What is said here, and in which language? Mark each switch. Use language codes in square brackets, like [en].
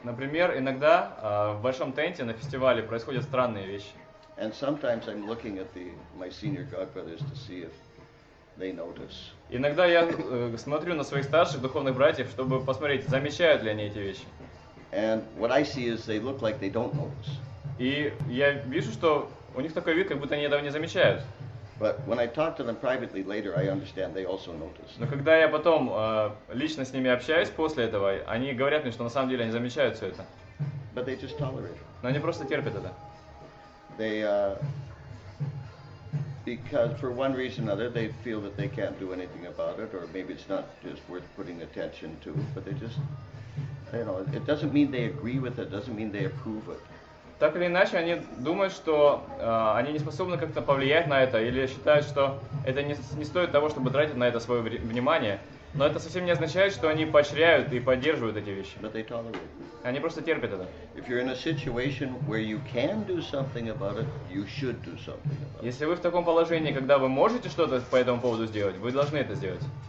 [ru] Например, иногда в большом тенте на фестивале происходят странные вещи. [en] And sometimes I'm looking at my senior godbrothers to see if they notice. [ru] Иногда я смотрю на своих старших духовных братьев, чтобы посмотреть, замечают ли они эти вещи. [en] And what I see is they look like they don't notice. [ru] И я вижу, что у них такой вид, как будто они этого не замечают. [en] But when I talk to them privately later, I understand they also notice. [ru] Но когда я потом лично с ними общаюсь после этого, они говорят мне, что на самом деле они замечают все это. [en] But they just tolerate. [ru] Но они просто терпят это. [en] They, because for one reason or another, they feel that they can't do anything about it, or maybe it's not just worth putting attention to. But they just, you know, it doesn't mean they agree with it. Doesn't mean they approve it. [ru] так или иначе, они думают, что они не способны как-то повлиять на это, или считают, что это не стоит того, чтобы тратить на это свое внимание. Но это совсем не означает, что они поощряют и поддерживают эти вещи. [en] But they tolerate. [ru] Они просто терпят это. [en] If you're in a situation where you can do something about it, you should do something about it. [ru] Если вы в таком положении, когда вы можете что-то по этому поводу сделать, вы должны это сделать.